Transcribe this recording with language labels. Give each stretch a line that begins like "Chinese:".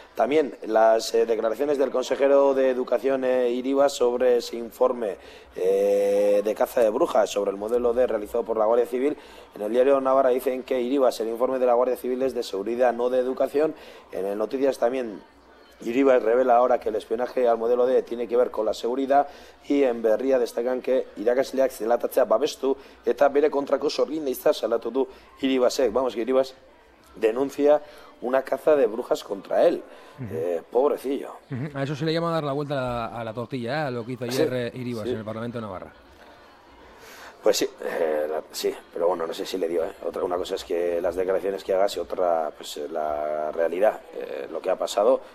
Spanish: También las declaraciones del consejero de Educación Iriba sobre ese informe de caza de brujas sobre el modelo D realizado por la Guardia Civil. En el diario Navarra dicen que Iribas, el informe de la Guardia Civil es de seguridad, no de educación. En el Noticias también Iribas revela ahora que el espionaje al modelo D tiene que ver con la seguridad. Y en Berria destacan que
Basque: irakasleak zelatatzea babestu eta bere kontrako sorgin deizta salatu du Iribasek.
Spanish: Vamos, que Iribas denuncia una caza de brujas contra él. Uh-huh. Pobrecillo. Uh-huh. A eso se le llama dar la vuelta a la tortilla, a lo que hizo ayer Iribas en el Parlamento de Navarra. Pues sí, sí, pero bueno, no sé si le dio. Otra, una cosa es que las declaraciones que hagas y otra, pues la realidad, lo que ha pasado.